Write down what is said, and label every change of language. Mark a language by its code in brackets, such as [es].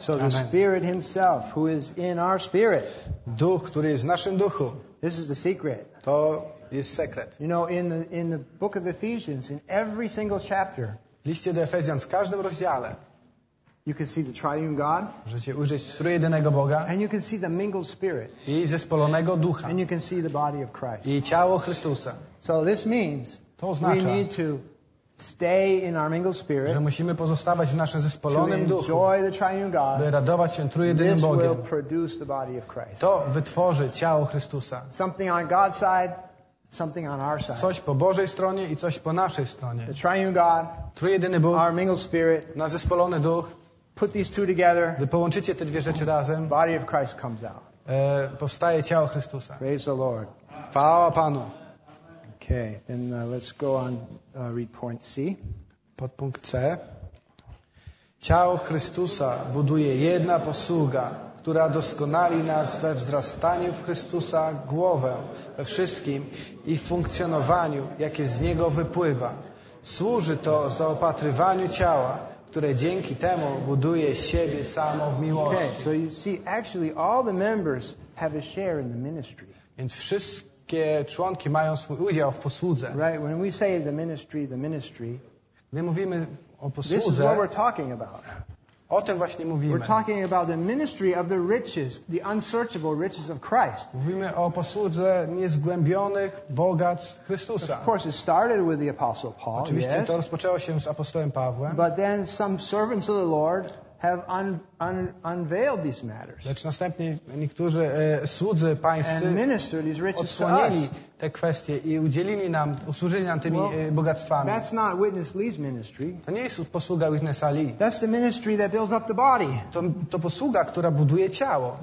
[pl] to jedność Ducha, a jedność Ducha to sam Duch, który jest naszym Duchem. Żeby zachować jedność, musimy zachować nowość Słowa. [en] This is the secret. [pl] To jest sekret. [en] You know, in the book of Ephesians, in every single chapter, [pl] w liście do Efezjan, w każdym rozdziale, [en] you can see the triune God. [pl] Możecie ujrzeć trójjedynego Boga. [en] And you can see the mingled spirit. [pl] I zespolonego ducha. [en] And you can see the body of Christ. [pl] I ciało Chrystusa. [en] So this means [pl] to oznacza, [en] we need to stay in our mingled spirit. [pl] Że musimy pozostawać w naszym zespolonym duchu. [en] To enjoy the triune God. [pl] By radować się trójjedynym Bogiem. [en] This will produce the body of Christ. [pl] To wytworzy ciało Chrystusa. [en] Something on God's side. Something on our side. [pl] Coś po Bożej stronie i coś po naszej stronie. [en] The triune God. [pl] Trójjedyny Bóg. [en] Our mingled spirit. [pl] Nasz zespolony duch. [en] Put these two together. [pl] Gdy połączycie te dwie rzeczy razem, [en] body of Christ comes out. [pl] Powstaje ciało Chrystusa. [en] Praise the Lord. [pl] Chwała Panu. [en] Okay, then let's go on read point C. [pl] Podpunkt C. Ciało Chrystusa buduje jedna posługa, która doskonali nas we wzrastaniu w Chrystusa głowę we wszystkim i funkcjonowaniu, jakie z Niego wypływa. Służy to zaopatrywaniu ciała, które dzięki temu buduje siebie samo w miłości. [en] Okay, so you see, actually all the members have a share in the ministry. [pl] Więc wszystkie członki mają swój udział w posłudze. [en] Right, when we say the ministry, [pl] gdy mówimy o posłudze, [en] this is what we're talking about. [pl] O tym właśnie mówimy. [en] We're talking about the ministry of the riches, the unsearchable riches of Christ. [pl] Mówimy o posłudze niezgłębionych bogactw Chrystusa. [en] Of course, it started with the Apostle Paul. [pl] Oczywiście [en] yes. [pl] To rozpoczęło się z apostołem Pawłem. [en] But then some servants of the Lord have unveiled these matters. [pl] Lecz następnie niektórzy słudzy pańscy odsłonili te kwestie i udzielili nam, usłużyli nam tymi bogactwami. [en] That's not Witness Lee's ministry. [pl] To nie jest posługa Witnessa Lee. [en] That's the ministry that builds up the body. [pl] To posługa, która buduje ciało.